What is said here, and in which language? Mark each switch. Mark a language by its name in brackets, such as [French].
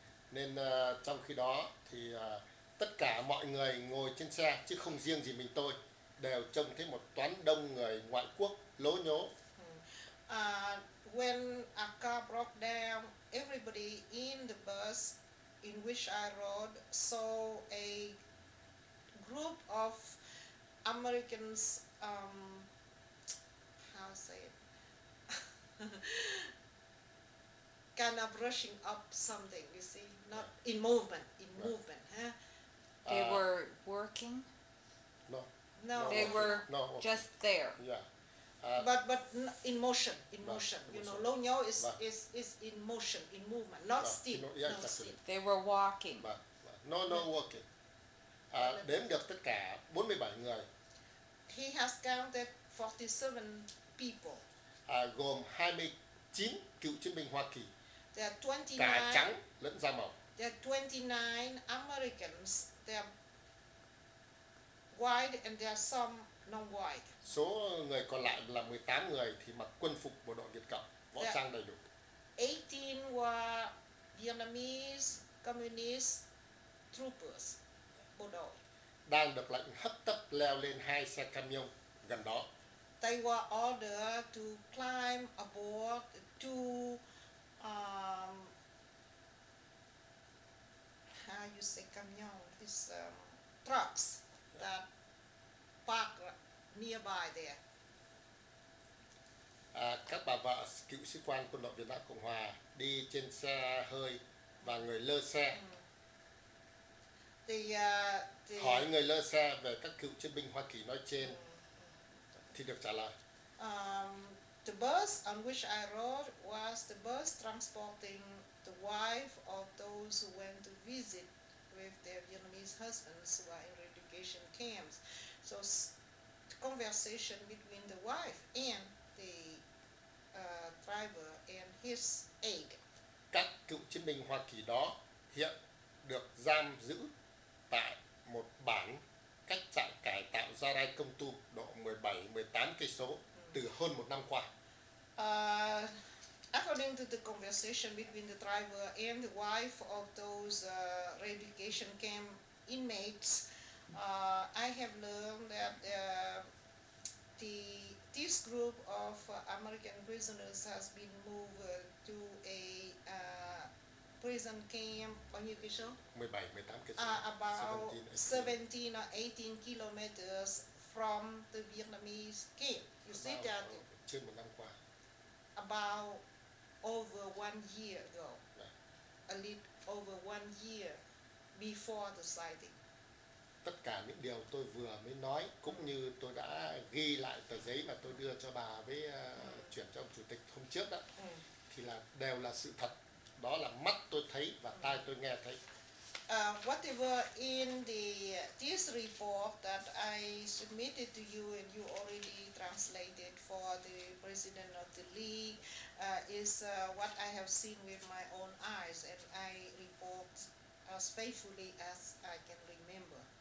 [Vietnamese] Nên trong khi đó thì tất cả mọi người ngồi trên xe, chứ không riêng gì mình tôi, đều trông thấy một toán đông người ngoại quốc lố nhố. [English] When a car broke down, everybody in the bus in which I rode saw a group of Americans, how say it, kind of rushing up something, you see, not in movement, in movement, huh? They were working? No. No, they were just there. Yeah. But in motion, in motion. You know, lo nhau is in motion, in movement, not still. You know, yeah, not exactly. Still. They were walking. No, walking. [Vietnamese] Đếm được tất cả 47 người. [English] He has counted 47 people. [Vietnamese] Gồm 29 cựu chiến binh Hoa Kỳ. [English] There are 29. [Vietnamese] Cả trắng lẫn da màu. [English] There are 29 Americans. They are white and there are some non-white. [Vietnamese] Số người còn lại là 18 người thì mặc quân phục bộ đội Việt Cộng, võ trang đầy đủ. [English] 18 were Vietnamese communist troopers. [Vietnamese] Đang được lệnh hấp tấp leo lên hai xe camion gần đó. [English] They were ordered to climb aboard two, how you say camion? It's trucks that park nearby there. [Vietnamese] Các bà vợ cựu sĩ quan quân đội Việt Nam Cộng Hòa đi trên xe hơi và người lơ xe. [English] The [Vietnamese] hỏi người lơ xe về các cựu chiến binh Hoa Kỳ nói trên thì được trả lời. [English] The bus on which I rode was the bus transporting the wife of those who went to visit with their Vietnamese husbands who were in re-education camps. So the conversation between the wife and the driver and his aide. [Vietnamese] Các cựu chiến binh Hoa Kỳ đó hiện được giam giữ tại một bản cách trại cải tạo Gia Rai Công Tum độ 17-18 cây số từ hơn một năm qua. [English] According to the conversation between the driver and the wife of those re-education camp inmates, I have learned that this group of American prisoners has been moved to a prison camp, on you can show? 17-18 kilometers. About 17 or 18 kilometers from the Vietnamese camp. You about see that? [Vietnamese] Trên một năm qua. [English] About over 1 year ago. Yeah. A little over 1 year before the sighting. [Vietnamese] Tất cả những điều tôi vừa mới nói, cũng như tôi đã ghi lại tờ giấy mà tôi đưa cho bà với chuyển cho ông chủ tịch hôm trước đó, thì là đều là sự thật. Đó là mắt tôi thấy và tai tôi nghe thấy. [English] Whatever in the this report that I submitted to you and you already translated for the president of the league is what I have seen with my own eyes and I report as faithfully as I can remember.